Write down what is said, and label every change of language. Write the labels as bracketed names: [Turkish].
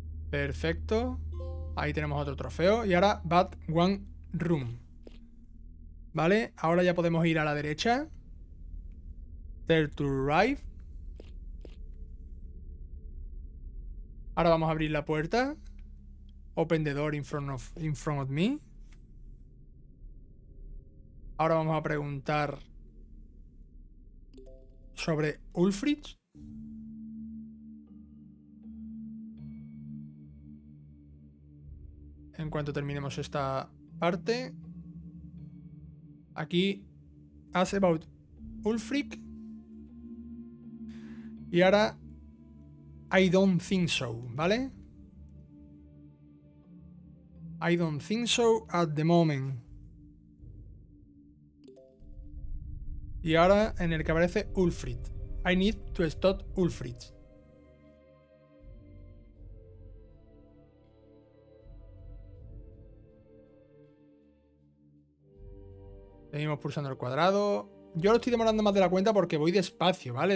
[Spanish] Perfecto. Ahí tenemos otro trofeo. Y ahora Bat One Room. Vale, ahora ya podemos ir a la derecha. [English] There to arrive. [Spanish] Ahora vamos a abrir la puerta. [English] Open the door in front of me. [Spanish] Ahora vamos a preguntar sobre Ulfric. En cuanto terminemos esta parte. Aquí, [English] ask about Ulfric. [Spanish] Y ahora, [English] I don't think so, [Spanish] ¿vale? [English] I don't think so at the moment. [Spanish] Y ahora en el que aparece Ulfrid. [English] I need to stop Ulfrid. [Spanish] Seguimos pulsando el cuadrado. Yo lo estoy demorando más de la cuenta porque voy despacio, ¿vale?